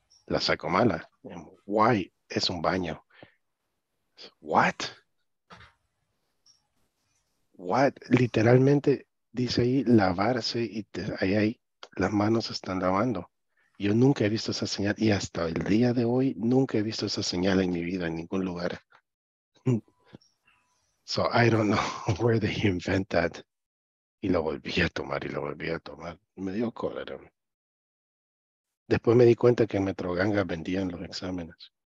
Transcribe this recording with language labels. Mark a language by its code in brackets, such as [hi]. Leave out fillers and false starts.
[es] La saco mala. Why es un baño? [en] What? What? [es] Literalmente dice ahí lavarse y te, ahí, ahí las manos están lavando. Yo nunca he visto esa señal y hasta el día de hoy nunca he visto esa señal en mi vida, en ningún lugar. [en] So I don't know where they invent that. [es] Y lo volví a tomar y lo volví a tomar. Me dio cólera. Después me di cuenta que en Metroganga vendían los exámenes.